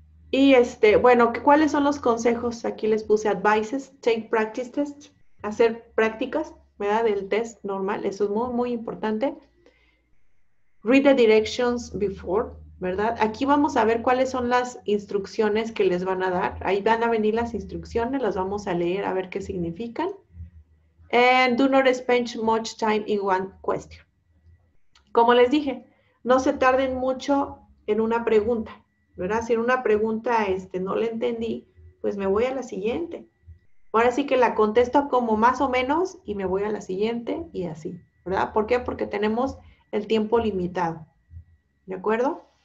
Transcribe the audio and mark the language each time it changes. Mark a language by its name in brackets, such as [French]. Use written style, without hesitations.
[Spanish] Y bueno, ¿cuáles son los consejos? Aquí les puse advices, [English] take practice tests, [Spanish] hacer prácticas, ¿verdad? Del test normal, eso es muy, muy importante. [English] Read the directions before, [Spanish] ¿verdad? Aquí vamos a ver cuáles son las instrucciones que les van a dar. Ahí van a venir las instrucciones, las vamos a leer a ver qué significan. [English] And do not spend much time in one question. [Spanish] Como les dije, no se tarden mucho en una pregunta, ¿verdad? Si en una pregunta no la entendí, pues me voy a la siguiente. Ahora sí que la contesto como más o menos y me voy a la siguiente y así, ¿verdad? ¿Por qué? Porque tenemos el tiempo limitado, ¿de acuerdo?